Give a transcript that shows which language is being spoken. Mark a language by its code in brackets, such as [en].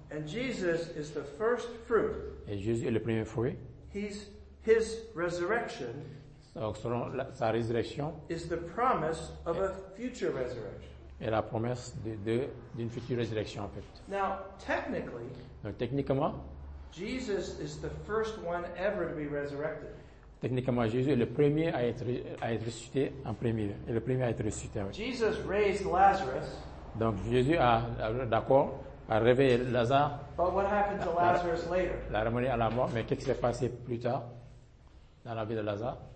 [en] And Jesus is the first fruit. [fr] Et Jésus est le premier fruit. [en] His resurrection. [fr] Donc, selon sa résurrection, [en] is the promise of a future resurrection. [fr] Et la promesse d'une future résurrection, en fait. [en] Now, technically, [fr] donc, techniquement, [en] Jesus is the first one ever to be resurrected. [fr] Techniquement, Jésus est le premier à être ressuscité en premier. Et le premier à être ressuscité. En fait. [en] Jesus raised Lazarus. [fr] Donc, Jésus a réveillé Lazare. [en] But what happened to Lazarus later? [fr] L'a ramené à la mort. Mais qu'est-ce qui s'est passé plus tard dans la vie de Lazare?